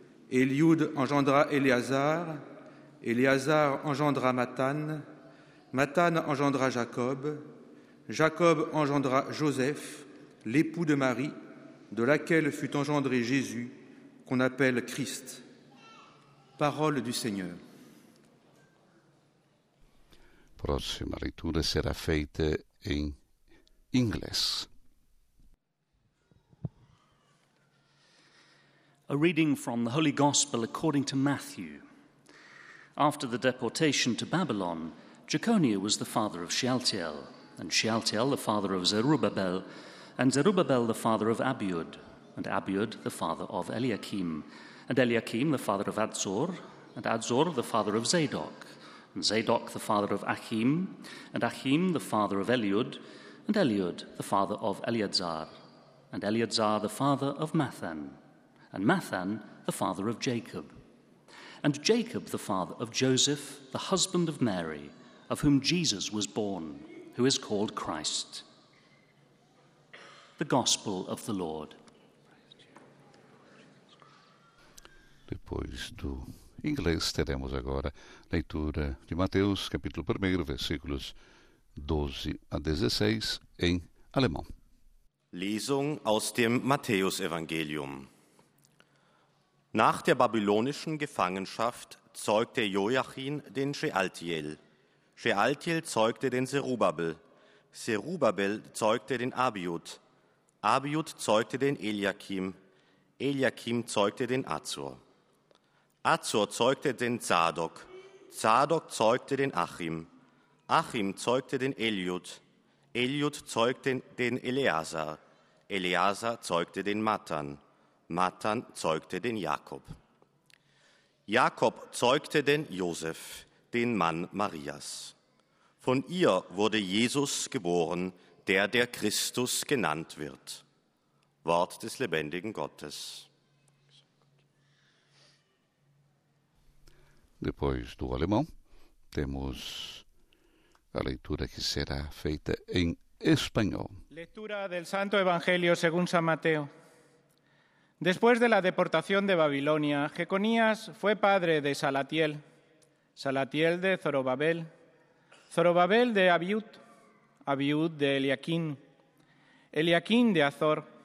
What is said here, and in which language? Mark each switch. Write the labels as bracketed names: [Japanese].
[French] Eliud engendra Éléazar, Éléazar engendra Matthan, Matthan engendra Jacob, Jacob engendra Joseph, l'époux de Marie, de laquelle fut engendré Jésus, qu'on appelle Christ. Parole du Seigneur. [Italian] Prossima lettura [French] sera faite [Italian] in inglese. [English] A reading from the Holy Gospel according to Matthew. After the deportation to Babylon, Jeconiah was the father of Shealtiel, and Shealtiel the father of Zerubbabel, and Zerubbabel the father of Abiud, and Abiud the father of Eliakim, and Eliakim the father of Azor, and Azor the father of Zadok, and Zadok the father of Achim, and Achim the father of Eliud, and Eliud the father of Eleazar, and Eleazar the father of Mathan, and Mathan the father of Jacob, and Jacob the father of Joseph, the husband of Mary, of whom Jesus was born, who is called Christ. The Gospel of the Lord. [Portuguese] Depois do inglês, teremos agora leitura de Mateus, capítulo 1, versículos 12 a 16, em alemão. [German] Lesung aus dem Matthäus-Evangelium. Nach der babylonischen Gefangenschaft zeugte Joachim den Shealtiel. Shealtiel zeugte den Zerubabel. Zerubabel zeugte den Abiud. Abiud zeugte den Eliakim. Eliakim zeugte den Azor. Azor zeugte den Zadok. Zadok zeugte den Achim. Achim zeugte den Eliud. Eliud zeugte den Eleazar. Eleazar zeugte den Matan. Matan zeugte den Jakob. Jakob zeugte den Josef, den Mann Marias. Von ihr wurde Jesus geboren, der der Christus genannt wird. Wort des lebendigen Gottes. [Portuguese] Depois do alemão, temos a leitura que será feita em espanhol. [Spanish] Lectura del Santo Evangelio según San Mateo. Después de la deportación de Babilonia, Jeconías fue padre de Salatiel, Salatiel de Zorobabel, Zorobabel de Abiud, Abiud de Eliakim, Eliakim de Azor.